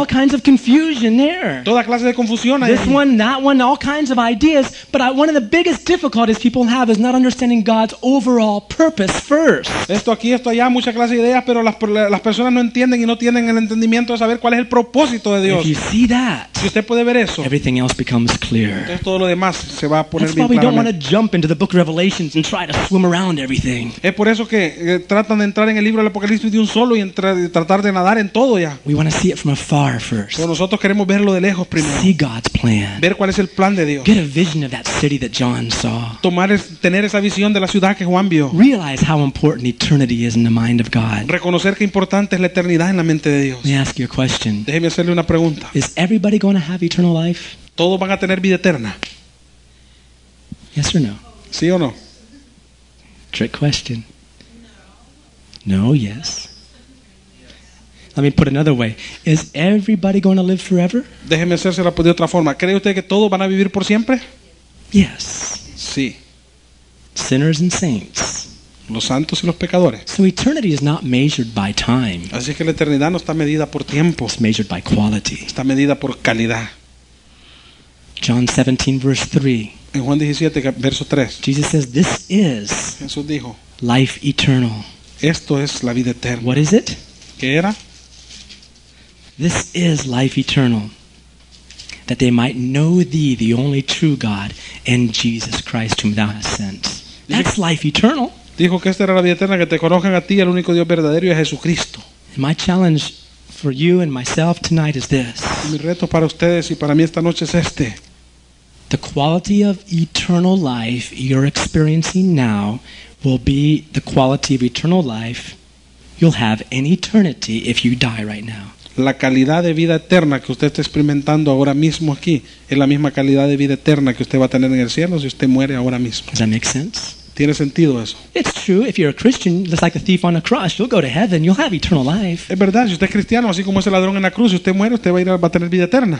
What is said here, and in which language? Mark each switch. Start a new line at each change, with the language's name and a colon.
English: All kinds of confusion there.
Spanish: Toda clase de confusión ahí.
English: This one, that one, all kinds of ideas. But one of the biggest difficulties people have is not understanding God's overall purpose first.
Spanish: Esto aquí, esto allá, mucha clase de ideas, pero las personas no entienden y no tienen el entendimiento de saber cuál es el propósito de Dios.
English: If you see that,
Spanish: si usted puede ver eso,
English: everything else becomes clear.
Spanish: Entonces, todo lo demás se va a poner
English: that's
Spanish: bien
English: why we don't want to jump into the book of Revelations and try to swim around everything.
Spanish: Es por eso que tratan de entrar en el libro del Apocalipsis de un solo y tratar de nadar en todo ya.
English: We want to see it from afar first.
Spanish: Pero nosotros queremos verlo de lejos primero.
English: See God's plan.
Spanish: Ver cuál es el plan de Dios.
English: Get a vision of that city that John saw.
Spanish: Tener esa visión de la ciudad que Juan vio.
English: Realize how important eternity is in the mind of God.
Spanish: Reconocer qué importante es la eternidad en la mente de Dios.
English: Let me ask you a question.
Spanish: Déjeme hacerle una pregunta.
English: Is everybody going to have eternal life?
Spanish: Todos van a tener vida eterna.
English: Yes or no?
Spanish: Sí o no?
English: Trick question. No, yes. Let me put another way. Is everybody going to live forever?
Spanish: Déjeme hacérsela de otra forma. ¿Cree usted que todos van a vivir por siempre?
English: Yes.
Spanish: Sí.
English: Sinners and saints.
Spanish: Los santos y los pecadores.
English: So eternity is not measured by time.
Spanish: Así es que la eternidad no está medida por tiempo.
English: It's measured by quality.
Spanish: Está medida por calidad.
English: John 17 verse 3.
Spanish: En Juan 17 verso 3.
English: Jesus says this is.
Spanish: Jesús dijo.
English: Life eternal.
Spanish: Esto es la vida eterna.
English: What is it?
Spanish: ¿Qué era?
English: This is life eternal. That they might know thee the only true God and Jesus Christ whom thou hast sent. That's life eternal.
Spanish: Dijo que esta era la vida eterna que te conozcan a ti el único Dios verdadero y a Jesucristo.
English: My challenge for you and myself tonight is this.
Spanish: Mi reto para ustedes y para mí esta noche es este.
English: The quality of eternal life you're experiencing now will be the quality of eternal life you'll have in eternity if you die right now.
Spanish: La calidad de vida eterna que usted está experimentando ahora mismo aquí es la misma calidad de vida eterna que usted va a tener en el cielo si usted muere ahora mismo.
English: Does that make sense?
Spanish: Tiene sentido eso.
English: It's true. If you're a Christian, just like the thief on the cross, you'll go to heaven. You'll have eternal life.
Spanish: Es verdad. Si usted es cristiano, así como ese ladrón en la cruz, si usted muere, usted va a tener vida eterna.